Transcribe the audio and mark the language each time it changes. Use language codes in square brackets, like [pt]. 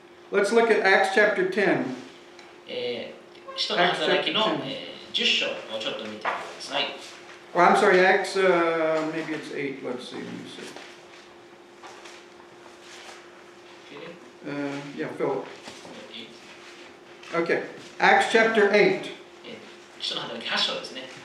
[en] Let's look at Acts chapter 10. [ja] 使徒の働きの10章をちょっと見てください。 [en] Well, I'm sorry, Acts, maybe it's 8. Let's see. Let me see. Okay. Yeah, Philip. Okay, Acts chapter 8. [ja] 使徒の働き8章ですね。